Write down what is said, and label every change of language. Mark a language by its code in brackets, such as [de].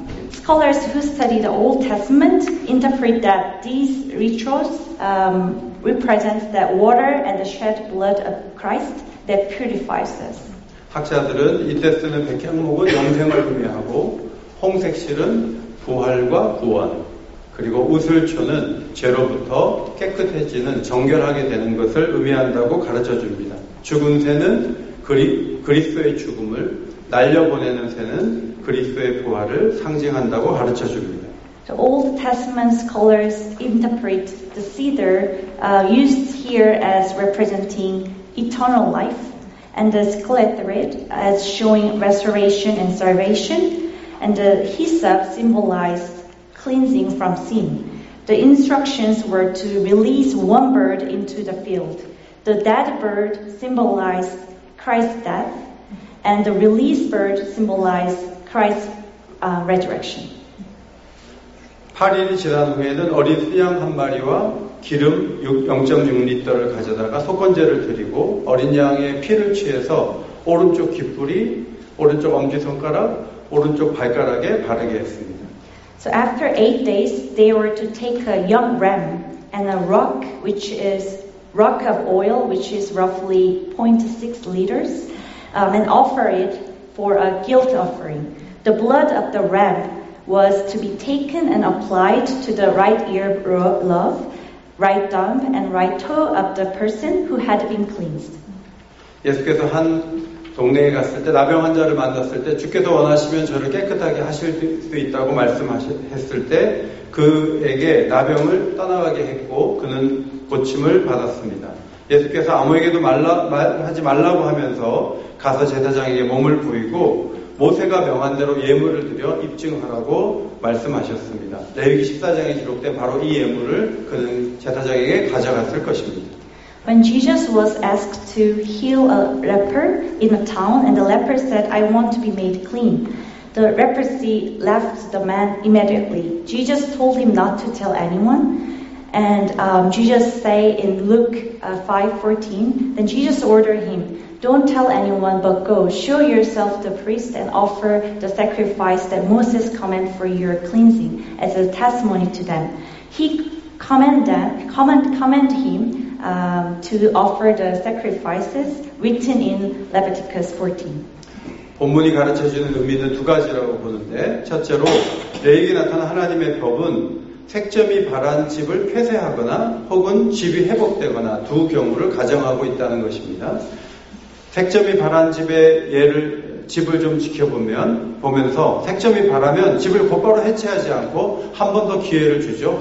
[en] Scholars who study the Old Testament interpret that these rituals represent the water and the shed blood of Christ that purifies us. [ko] 학자들은 이때 쓰는 백향목은 영생을 의미하고 홍색실은 부활과 구원 그리고 우슬초는 죄로부터 깨끗해지는 정결하게 되는 것을 의미한다고 가르쳐줍니다. 죽은 새는 그리스도의 죽음을 날려보내는 새는 그리스도의 부활을 상징한다고 가르쳐줍니다. [en] The Old Testament scholars interpret the cedar used here as representing eternal life. And the scarlet as showing restoration and salvation, and the hyssop symbolized cleansing from sin. The instructions were to release one bird into the field. The dead bird symbolized Christ's death, and the released bird symbolized Christ's resurrection. [ko] 8일이 지난 후에는 어린 수양 한 마리와 기름 0.6리터를 가져다가 속건제를 드리고 어린 양의 피를 취해서 오른쪽 귀뿌리, 오른쪽 엄지손가락, 오른쪽 발가락에 바르게 했습니다. [en] So after 8 days, they were to take a young ram and a rock, which is rock of oil, which is roughly 0.6 liters, and offer it for a guilt offering. The blood of the ram was to be taken and applied to the right ear lobe, right thumb and right toe of the person who had been cleansed. [ko] 예수께서 한 동네에 갔을 때 나병 환자를 만났을 때 주께서 원하시면 저를 깨끗하게 하실 수 있다고 말씀했을 때 그에게 나병을 떠나가게 했고 그는 고침을 받았습니다. 예수께서 아무에게도 하지 말라고 하면서 가서 제사장에게 몸을 보이고 모세가 명한 대로 예물을 드려 입증하라고 말씀하셨습니다. 레위기 14장에 기록된 바로 이 예물을 그는 제사장에게 가져갔을 것입니다. [en] When Jesus was asked to heal a leper in a town and the leper said, I want to be made clean. The leprosy left the man immediately. Jesus told him not to tell anyone. And Jesus say in Luke 5:14, then Jesus ordered him, Don't tell anyone, but go, show yourself the priest and offer the sacrifice that Moses commanded for your cleansing as a testimony to them. He commanded him to offer the sacrifices written in Leviticus 14. [ko] 본문이 가르쳐주는 의미는 두 가지라고 보는데 첫째로 레위기에 나타난 하나님의 법은 색점이 바란 집을 폐쇄하거나 혹은 집이 회복되거나 두 경우를 가정하고 있다는 것입니다. 색점이 바란 집의 예를 집을 좀 보면서 색점이 바라면 집을 곧바로 해체하지 않고 한 번 더 기회를 주죠.